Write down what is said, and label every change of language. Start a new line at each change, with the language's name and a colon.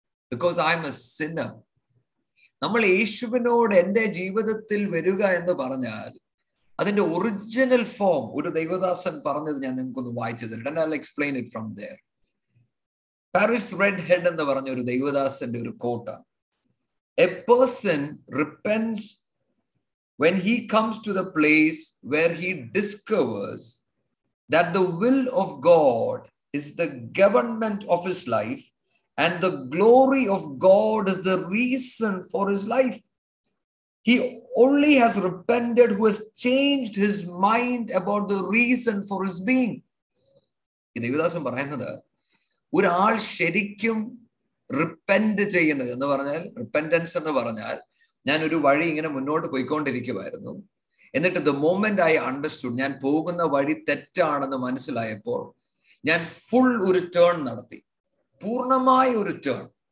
English: Because I am a sinner.
Malayalam: നമ്മൾ യേശുവിനോട് എന്റെ ജീവിതത്തിൽ വരിക എന്ന് പറഞ്ഞാൽ അതിന്റെ ഒറിജിനൽ ഫോം ഒരു ദൈവദാസൻ പറഞ്ഞത് ഞാൻ നിങ്ങൾക്കൊന്ന് വായിച്ചു തരട്ടെ.
English: I'll explain it from there.
Malayalam: Paris Redhead എന്ന് പറഞ്ഞ ഒരു ദൈവദാസന്റെ ഒരു കോട്ട.
English: A person repents when he comes to the place where he discovers that the will of God is the government of his life. And the glory of God is the reason for his life. He only has repented who has changed his mind about the reason for his being.
Malayalam: ദൈവദാസൻ പറയുന്നത് ഒരാൾ ശരിക്കും repent ചെയ്യുന്നത് എന്ന് പറഞ്ഞാൽ, റിപ്പെൻഡൻസ് എന്ന് പറഞ്ഞാൽ ഞാൻ ഒരു വഴി ഇങ്ങനെ മുന്നോട്ട് പോയിക്കൊണ്ടിരിക്കുമായിരുന്നു, എന്നിട്ട്
English: the moment I understood
Malayalam: ഞാൻ പോകുന്ന വഴി തെറ്റാണെന്ന് മനസ്സിലായപ്പോൾ ഞാൻ ഫുൾ ഒരു ടേൺ നടത്തി, പൂർണമായ ഒരു ടേൺ.